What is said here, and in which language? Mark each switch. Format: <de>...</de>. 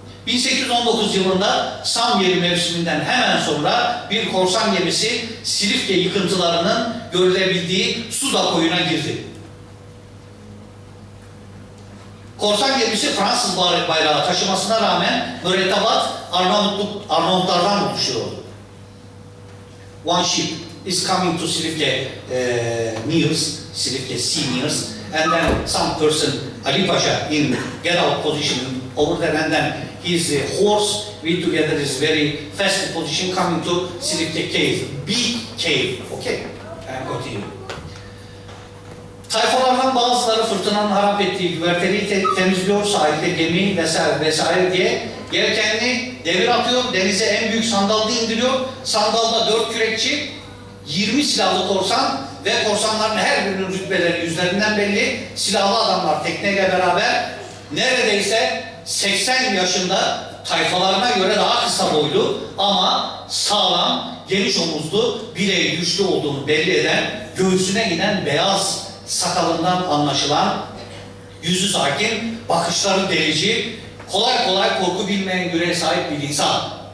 <tr>1819 yılında Samyeri mevsiminden hemen sonra bir korsan gemisi Silifke yıkıntılarının görülebildiği Suda koyuna girdi. Korsan gemisi Fransız bayrağı taşımasına rağmen mürettebat Arnavutlardan oluşuyordu.</tr> <en>One ship is coming to Silifke Nears, Silifke Seniors, and then some person Ali Paşa in get out position over there, and then his horse, we together is very fast position coming to Silifke Cave, big cave, okay, and continue.</en> <tr>Tayfalardan bazıları fırtınanın harap ettiği güverteliği temizliyor, sahilde gemi vesaire diye yelkenli devir atıyor, denize en büyük sandalda indiriyor, sandalda 4 kürekçi, 20 silahlı korsan ve korsanların her birinin rütbeleri yüzlerinden belli, silahlı adamlar tekneyle beraber neredeyse 80 yaşında, tayfalarına göre daha kısa boylu ama sağlam, geniş omuzlu, bileği güçlü olduğunu belli eden, göğsüne inen beyaz sakalından anlaşılan, yüzü sakin, bakışları delici, kolay kolay korku bilmeyen yüreğe sahip bir insan.</tr>